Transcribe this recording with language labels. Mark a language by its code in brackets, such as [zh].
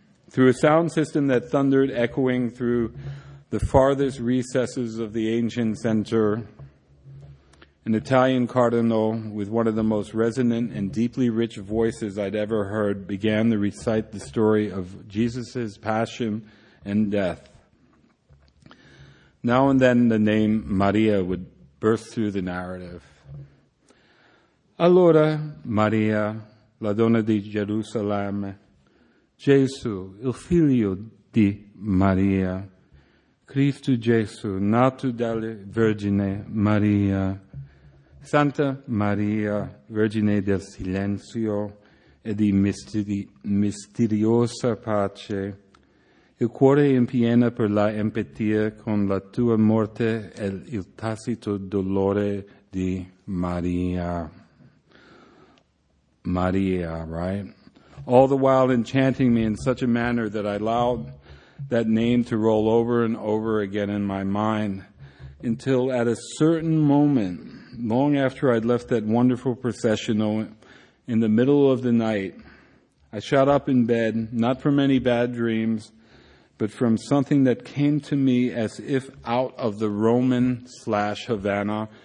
[en] Through a sound system that thundered, echoing through the farthest recesses of the ancient center, an Italian cardinal with one of the most resonant and deeply rich voices I'd ever heard began to recite the story of Jesus' passion and death. Now and then the name Maria would burst through the narrative. [it] Allora, Maria, la donna di Gerusalemme, Gesù, il figlio di Maria, Cristo Gesù, nato dalla Vergine Maria, Santa Maria, Vergine del Silenzio e di Misteriosa Pace, Il cuore in piena per la empatia con la tua morte e il tacito dolore di Maria. [en] Maria, right? All the while enchanting me in such a manner that I allowed that name to roll over and over again in my mind, until at a certain moment, long after I'd left that wonderful processional, in the middle of the night, I shot up in bed, not from any bad dreams, but from something that came to me as if out of the Roman / Havana.